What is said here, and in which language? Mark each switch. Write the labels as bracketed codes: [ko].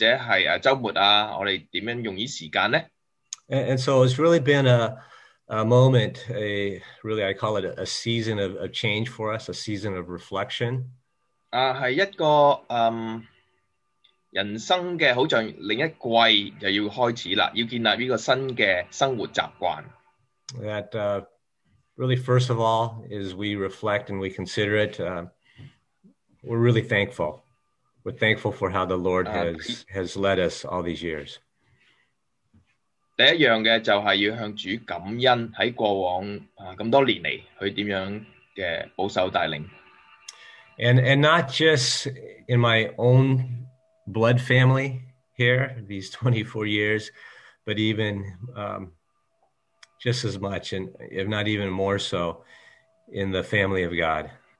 [zh] 譬如是一个新的习惯，就是譬如他们不在家，那我们早上或者是周末，我们怎样用这时间呢？ [en] And so it's really been a moment, I call it a season of change for us, a season of reflection. [zh] 是一个人生的，好像另一季就要开始了，要建立这个新的生活习惯。 [en] That really, first of all, as we reflect and we consider it, we're really thankful. We're thankful for how the Lord has led us all these years. [zh] 第一样的就是要向主感恩，在过往这么多年来，他怎样的保守带领。 [en] And not just in my own blood family here, these 24 years, but even just as much, and if not even more so, in the family of God.